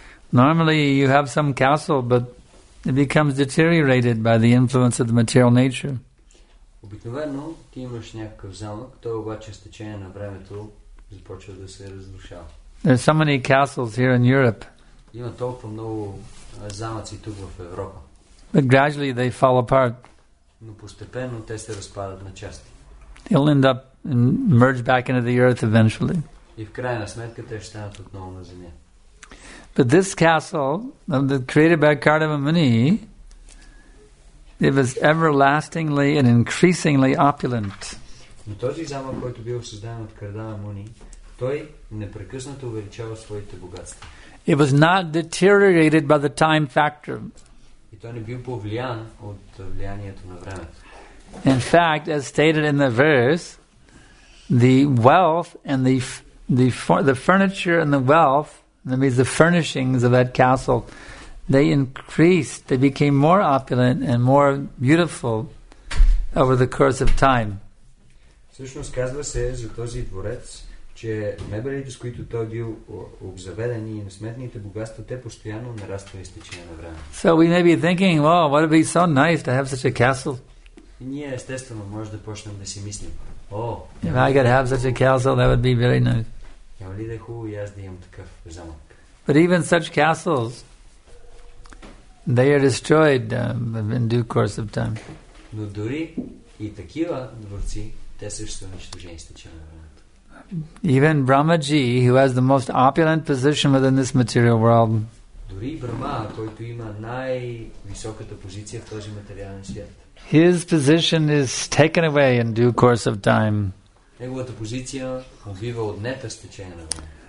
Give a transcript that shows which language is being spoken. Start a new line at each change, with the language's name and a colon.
English: Normally you have some castle, but it becomes deteriorated by the influence of the material nature.
Bulgarian: Обикновено ти имаш някакъв замък, той обаче с течение на времето започва да се разрушава.
English: There are so many castles here in Europe.
Bulgarian: Има толкова много замъци тук в Европа.
English: But gradually they fall apart.
Bulgarian: Но постепенно те се разпадат на части.
English: They'll end up and merge back into the earth eventually.
Bulgarian: И в крайна сметка те ще станат отново на земя.
English: But this castle, created by Kardama Muni, it was everlastingly and increasingly opulent.
Bulgarian: Но този замък, който бил създаден от Кардама Муни, той непрекъснато увеличава своите богатства.
English: It was not deteriorated by the time factor.
Bulgarian: И той не бил повлиян от влиянието на времето.
English: In fact, as stated in the verse, the wealth and the furniture and the wealth, that means the furnishings of that castle, they increased, they became more opulent and more beautiful over the course of time.
Bulgarian: Всъщност казва се за този дворец, че мебелите, с които той бил обзаведен, и несметните богатства, те постоянно нараствали с течение на време.
English: So we may be thinking, well, what would it be so nice to have such a castle?
Bulgarian: И ние естествено може да почнем да си мислим,
English: if I could have such a castle, that would be very nice.
Bulgarian: Няма ли да е хубаво и аз да имам такъв замък?
English: But even such castles, they are destroyed in due course of time.
Bulgarian: Но дори и такива дворци, те също унищожени с течение на времето.
English: Even Brahmaji, who has the most opulent position within this material world,
Bulgarian: дори Брама, който има най-високата позиция в този материален свят,
English: his position is taken away in due course of time.
Bulgarian: Неговата позиция убива отнета с течение на времето.